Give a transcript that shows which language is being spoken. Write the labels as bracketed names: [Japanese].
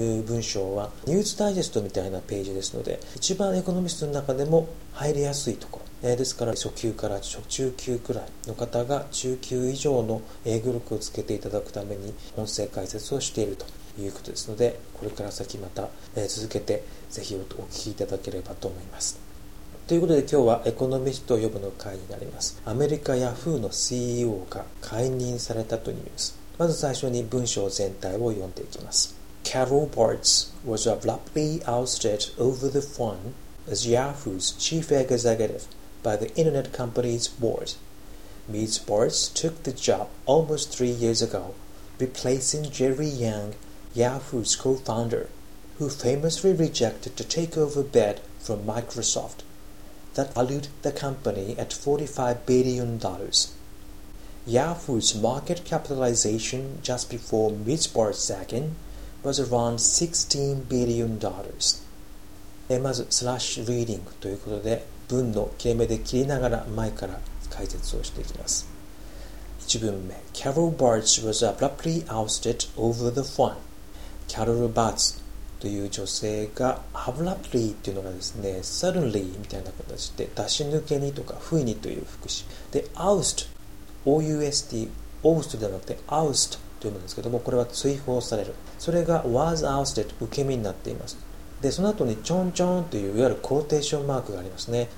[Japanese] 文章はニュースダイジェストみたいなページですので、一番エコノミストの中でも入りやすいところ、ですから初級から初中級くらいの方が中級以上の英語力をつけていただくために音声解説をしているということですので、これから先また続けてぜひお聞きいただければと思います。ということで、今日はエコノミストを呼ぶの会になります。アメリカヤフーの CEO が解任されたというニュース。まず最初に文章全体を読んでいきます。 [English] Carol Bartz was abruptly ousted over the phone as Yahoo's chief executive by the internet company's board. Ms. Bartz took the job almost 3 years ago, replacing Jerry YangYahoo's co-founder, who famously rejected the takeover bid from Microsoft that valued the company at $45 billion. Yahoo's market capitalization just before Ms. Bartz's second was around $16 billion. [Japanese] まずスラッシュリーディングということで、文の切れ目で切りながら前から解説をしていきます。 [English] 1文目、Carol Bartz was abruptly ousted over the phone. [Japanese] キャロル・バーツという女性が、アブラプリーというのがですね、サルンリーみたいな形で、出し抜けにとか、不意にという副詞。で、アウスト、OUST、オーストではなくて、アウストというものですけども、これは追放される。それが、 was ousted、受け身になっています。で、その後に、チョンチョンという、いわゆるクォーテーションマークがありますね。